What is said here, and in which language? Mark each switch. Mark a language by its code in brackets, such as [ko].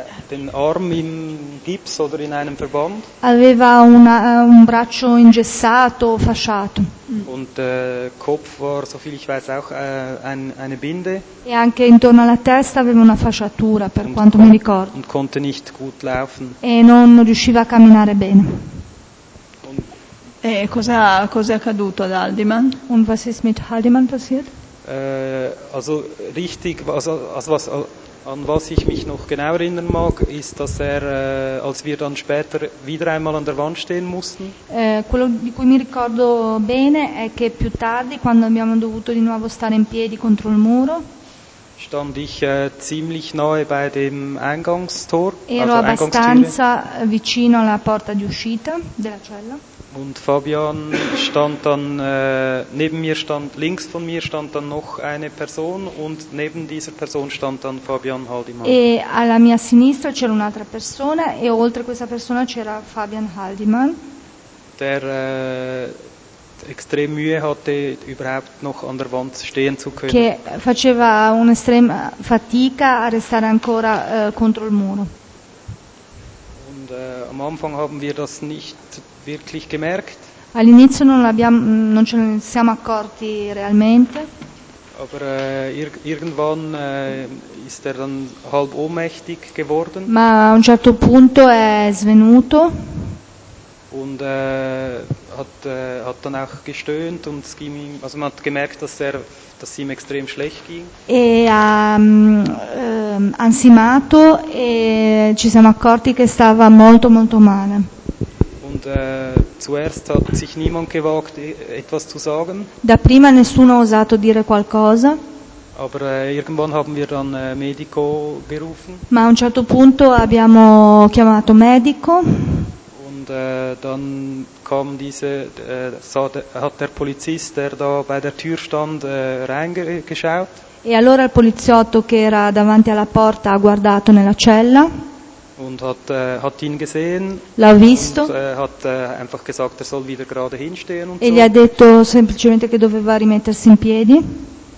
[de] Den Arm im Gips oder in einem Verband. [it] Aveva un braccio ingessato o fasciato. [de] Und Kopf war, so viel ich weiß, auch eine Binde. [it] E anche intorno alla testa aveva una fasciatura, per quanto mi ricordo. [de] Und konnte nicht gut laufen. [it] E non riusciva a camminare bene. E cosa è accaduto ad Haldimann? [de] Und was ist mit Haldimann passiert? Also richtig, an was ich mich noch genau erinnern mag, ist, dass er, als wir dann später wieder einmal an der Wand stehen mussten. [it] Quello di cui mi ricordo bene è che più tardi, quando abbiamo dovuto di nuovo stare in piedi contro il muro, [de] stand ich ziemlich nahe bei dem Eingangstor. [it] Ero abbastanza vicino alla porta di uscita della cella. [de] Und Fabian stand dann neben mir, stand links von mir, stand dann noch eine Person und neben dieser Person stand dann Fabian Haldimann. [it] E alla mia sinistra c'era un'altra persona e oltre questa persona c'era Fabian Haldimann. [de] Der extrem Mühe hatte, überhaupt noch an der Wand stehen zu können. [it] Che faceva un'estrema fatica a restare ancora contro il muro. [de] Und am Anfang haben wir das nicht wirklich gemerkt. [it] All'inizio non ce ne siamo accorti realmente. [de] Aber irgendwann ist er dann halb ohnmächtig geworden. [it] Ma a un certo punto è svenuto. [de] Und hat dann auch gestöhnt und es ging ihm, also man hat gemerkt, dass ihm extrem schlecht ging. [it] E ha ansimato e ci siamo accorti che stava molto molto male. [de] Und zuerst hat sich niemand gewagt, etwas zu sagen. [it] Da prima nessuno ha osato dire qualcosa. [de] Aber irgendwann haben wir dann Medico gerufen. [it] Ma a un certo punto abbiamo chiamato Medico. [de] Und dann kam hat der Polizist, der da bei der Tür stand, reingeschaut. [it] E allora il poliziotto che era davanti alla porta ha guardato nella cella. [de] Und hat ihn gesehen. [it] L'ha visto. [de] Und, hat einfach gesagt, er soll wieder gerade hinstehen und [it] e [de] so. [it] Gli ha detto semplicemente che doveva rimettersi in piedi.